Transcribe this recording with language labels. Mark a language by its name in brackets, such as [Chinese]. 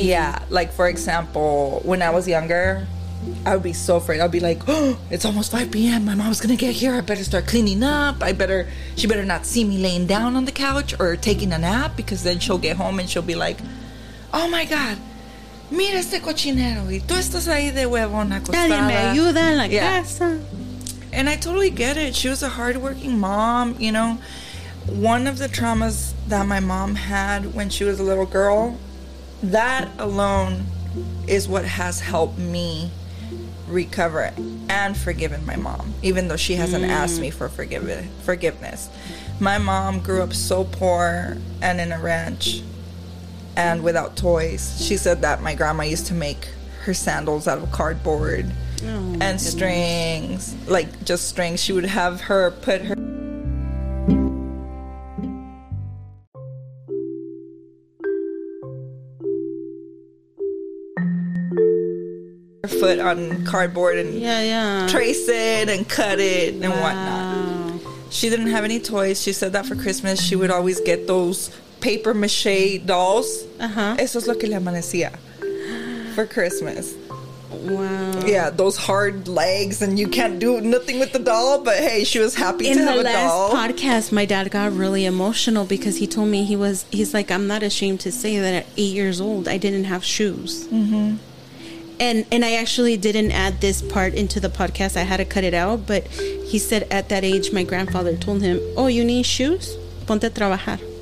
[English] Yeah. Like, for example, when I was younger, I would be so afraid. I'd be like, oh, it's almost 5 p.m. My mom's going to get here. I better start cleaning up. She better not see me laying down on the couch or taking a nap, because then she'll get home and she'll be like, oh my God. [Spanish] Mira este cochinero y tú estás ahí de huevón acostada. Nadie me ayuda en la casa. [English] And I totally get it. She was a hardworking mom, you know. One of the traumas that my mom had when she was a little girl, that alone is what has helped me recover and forgiven my mom, even though she hasn't asked me for forgiveness. My mom grew up so poor and in a ranch. And without toys. She said that my grandma used to make her sandals out of cardboard and strings. Like, just strings. She would have her put her... her foot on cardboard and trace it and cut it and whatnot. She didn't have any toys. She said that for Christmas, she would always get those paper mache dolls. [Spanish] Eso es lo que le amanecía [English] for Christmas. Wow. Yeah, those hard legs and you can't do nothing with the doll, but hey, she was happy to have a doll. In the last podcast, my dad got really emotional because he told me he's like, I'm not ashamed to say that at 8 years old, I didn't have shoes. Mm-hmm. And I actually didn't add this part into the podcast. I had to cut it out, but he said at that age, my grandfather told him, oh, you need shoes? [Spanish] Ponte a trabajar.